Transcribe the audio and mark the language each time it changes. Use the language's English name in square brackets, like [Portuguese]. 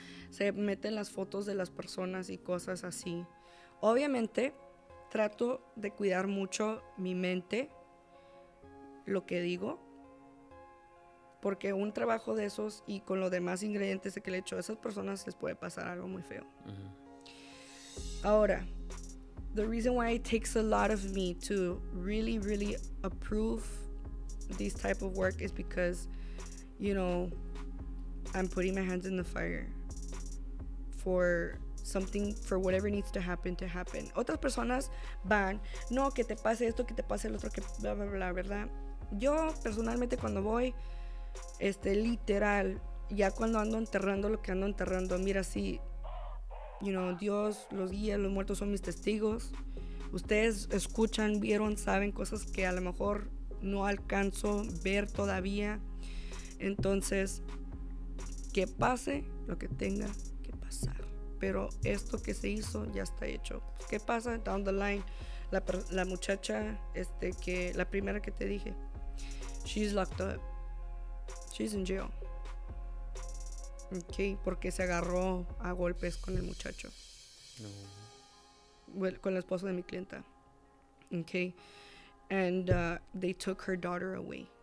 [Spanish] Se meten las fotos de las personas y cosas así. Obviamente, trato de cuidar mucho mi mente, lo que digo, porque un trabajo de esos y con los demás ingredientes que le echo a esas personas les puede pasar algo muy feo. Uh-huh. [English] Ahora, the reason why it takes a lot of me to really, really approve this type of work is because, you know, I'm putting my hands in the fire for something, for whatever needs to happen to happen. [Spanish] Otras personas van, no, que te pase esto, que te pase el otro, que bla bla bla, ¿verdad? Yo personalmente cuando voy, literal, ya cuando ando enterrando lo que ando enterrando, mira, si, [English] you know, [Spanish] Dios, los guías, los muertos son mis testigos. Ustedes escuchan, vieron, saben cosas que a lo mejor no alcanzo ver todavía. Entonces, que pase lo que tenga que pasar. Pero esto que se hizo ya está hecho. ¿Qué pasa? [English] Down the line, [Spanish] la muchacha, que la primera que te dije, [English] she's locked up. She's in jail. [Spanish] Okay, porque se agarró a golpes con el muchacho. No. con la esposa de mi clienta. [English] Okay. And they took her daughter away.